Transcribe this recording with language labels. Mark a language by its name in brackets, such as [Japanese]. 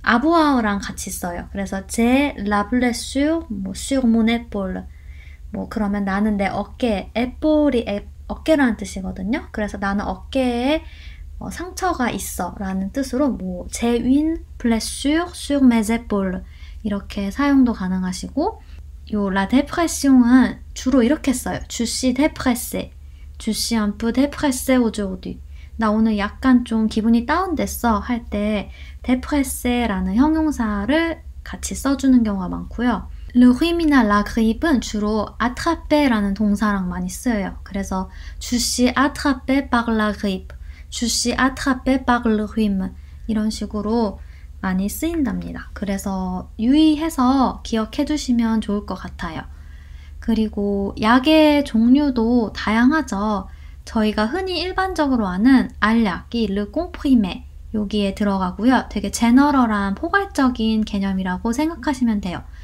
[Korean] 아부아우랑 같이 써요. 그래서 제 라 블레슈어 뭐 [French] sur mon épaule [Korean] 뭐 그러면 나는 내 어깨 에폴이 어깨라는 뜻이거든요. 그래서 나는 어깨에 상처가 있어 라는 뜻으로 뭐 제 윈 [French] blessure sur mes épaules [Korean] 이렇게 사용도 가능하시고 요 la dépression은 주로 이렇게 써요. [French] Je suis dépressé. Je suis un peu dépressé aujourd'hui. [Korean] 나 오늘 약간 좀 기분이 다운됐어 할 때 dépressé 라는 형용사를 같이 써주는 경우가 많고요. Le rhume이나 la grippe은 주로 attrapé 라는 동사랑 많이 쓰여요. 그래서 [French] Je suis attrapé par la grippe. Je suis attrapé par le rhume [Korean] 이런 식으로 많이 쓰인답니다. 그래서 유의해서 기억해 두시면 좋을 것 같아요. 그리고 약의 종류도 다양하죠. 저희가 흔히 일반적으로 아는 알약이 le comprimé 여기에 들어가고요. 되게 제너럴한 포괄적인 개념이라고 생각하시면 돼요.